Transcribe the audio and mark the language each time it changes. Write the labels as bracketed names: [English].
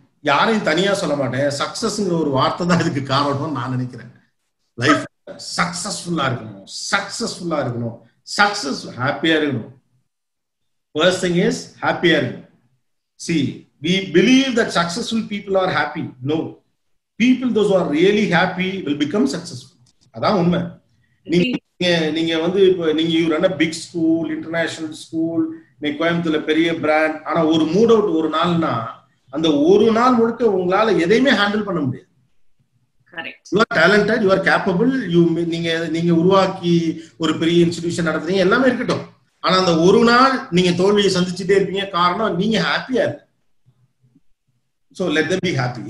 [Tamil] யாரையும் தனியா சொல்ல மாட்டேன், சக்சஸ்ங்கிற ஒரு வார்த்தை தான் இதுக்கு காரணம் நான் நினைக்கிறேன். லைஃப் சக்சஸ்ஃபுல்லா இருக்கணும், சக்சஸ்ஃபுல்லா இருக்கணும், சக்சஸ் ஹாப்பியா இருக்கணும். [English] First thing is happy இருக்கணும். See, we believe that successful people are happy. No. People those who are really happy will become successful. [Tamil] அதான் உண்மை. நீங்க வந்து இப்ப நீங்க பிக் ஸ்கூல், இன்டர்நேஷனல் ஸ்கூல், நீ கோயம்புத்தூர்ல பெரிய பிராண்ட், ஆனா ஒரு மூட் அவுட் ஒரு நாள்னா அந்த ஒரு நாள் முழுக்க உங்களால எதையுமே ஹேண்டில் பண்ண முடியாது. You are talented, you are capable, you நீங்க உருவாக்கி ஒரு பெரிய இன்ஸ்டிடியூஷன் நடத்துறீங்க எல்லாமே இருக்கட்டும், ஆனா அந்த ஒரு நாள் நீங்க தோல்வியை சந்திச்சுட்டே இருப்பீங்க, காரணம் நீங்க ஹாப்பியா இருக்கு. So let them be happy.